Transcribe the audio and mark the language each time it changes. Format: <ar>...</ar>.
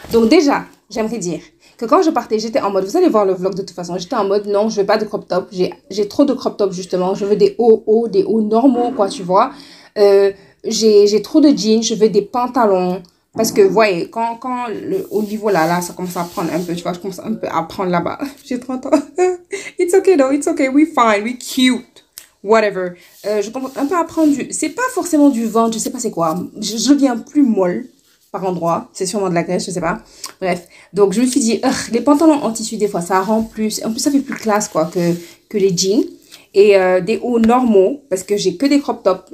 <fr>Donc déjà, j'aimerais dire que quand je partais, j'étais en mode, vous allez voir le vlog de toute façon, j'étais en mode, non, je ne veux pas de crop top. J'ai trop de crop top justement. Je veux des hauts normaux, quoi, tu vois. J'ai trop de jeans, je veux des pantalons. Parce que, vous voyez, quand au niveau là, ça commence à prendre un peu, tu vois, je commence un peu à prendre là-bas. J'ai 30 ans.</fr> <en>It's okay though, it's okay, we're fine, we're cute. Whatever.</en> <fr>Je commence un peu à prendre du... C'est pas forcément du ventre, je ne sais pas c'est quoi. Je deviens plus molle. Par endroit, c'est sûrement de la graisse, je sais pas. Bref, donc je me suis dit, les pantalons en tissu, des fois, ça rend plus... En plus, ça fait plus classe, quoi, que les jeans. Et des hauts normaux, parce que j'ai que des crop tops.</fr>